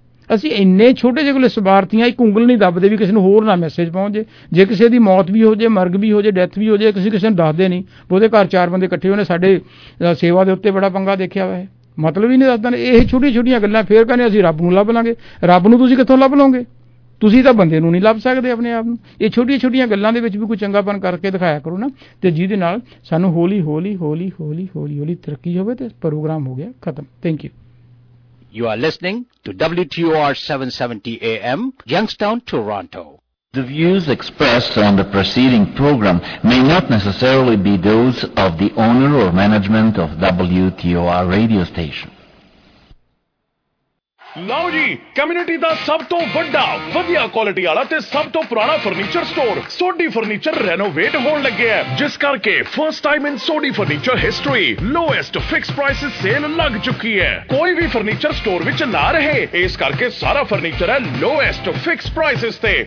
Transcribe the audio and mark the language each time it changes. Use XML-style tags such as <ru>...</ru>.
<pa>ਅਸੀਂ ਇੰਨੇ ਛੋਟੇ ਜਿਹੇ ਕੋਲੇ ਸਵਾਰਥੀਆਂ, ਇੱਕ ਉਂਗਲ ਨਹੀਂ ਦੱਬਦੇ ਵੀ ਕਿਸੇ ਨੂੰ ਹੋਰ ਨਾ ਮੈਸੇਜ ਪਹੁੰਚੇ, ਜੇ ਕਿਸੇ ਦੀ ਮੌਤ ਵੀ ਹੋ ਜਾਵੇ, ਮਰਗ ਵੀ ਹੋ ਜਾਵੇ, ਡੈਥ ਵੀ ਹੋ ਜਾਵੇ, ਅਸੀਂ ਕਿਸੇ ਨੂੰ ਦੱਸਦੇ ਨਹੀਂ, ਉਹਦੇ ਘਰ 4 ਬੰਦੇ ਇਕੱਠੇ ਹੋਣੇ, ਸਾਡੇ ਸੇਵਾ ਦੇ ਉੱਤੇ ਬੜਾ ਪੰਗਾ ਦੇਖਿਆ ਵਾ, ਮਤਲਬ ਹੀ ਨਹੀਂ ਦੱਸਦਾ। ਇਹ ਛੋਟੀਆਂ ਛੋਟੀਆਂ ਗੱਲਾਂ, ਫਿਰ ਕਹਿੰਦੇ ਅਸੀਂ ਰੱਬ ਨੂੰ ਲੱਭ ਲਾਂਗੇ, ਰੱਬ ਨੂੰ ਤੁਸੀਂ ਕਿੱਥੋਂ ਲੱਭ ਲਓਗੇ, ਤੁਸੀਂ ਤਾਂ ਬੰਦੇ ਨੂੰ ਨਹੀਂ ਲੱਭ ਸਕਦੇ ਆਪਣੇ ਆਪ ਨੂੰ। ਇਹ ਛੋਟੀਆਂ ਛੋਟੀਆਂ ਗੱਲਾਂ ਦੇ ਵਿੱਚ ਵੀ ਕੋਈ ਚੰਗਾਪਣ ਕਰਕੇ ਦਿਖਾਇਆ ਕਰੋ ਨਾ, ਅਤੇ ਜਿਹਦੇ ਨਾਲ ਸਾਨੂੰ ਹੌਲੀ ਹੌਲੀ ਹੌਲੀ ਹੌਲੀ ਹੌਲੀ ਹੌਲੀ ਤਰੱਕੀ ਹੋਵੇ ਅਤੇ ਪ੍ਰੋਗਰਾਮ ਹੋ ਗਿਆ ਖਤਮ।</pa> <en>Thank you. You are listening to WTOR 770 AM, Youngstown, Toronto. The views expressed on the preceding program may not necessarily be those of the owner or management of WTOR radio station.</en> <pa>ਲਓ ਜੀ, community ਦਾ ਸਭ ਤੋਂ ਵੱਡਾ ਵਧੀਆ quality ਵਾਲਾ ਤੇ ਸਭ ਤੋਂ ਪੁਰਾਣਾ furniture store Sodhi furniture renovate ਹੋਣ ਲੱਗਿਆ, ਜਿਸ ਕਰਕੇ</pa> <en>first time in Sodhi furniture history lowest fix prices sale</en> <pa>ਲੱਗ ਚੁੱਕੀ ਹੈ। ਕੋਈ ਵੀ ਫਰਨੀਚਰ ਸਟੋਰ ਵਿੱਚ ਨਾ ਰਹੇ, ਇਸ ਕਰਕੇ ਸਾਰਾ ਫਰਨੀਚਰ ਹੈ</pa> <en>lowest fix prices</en> <pa>ਤੇ।</pa>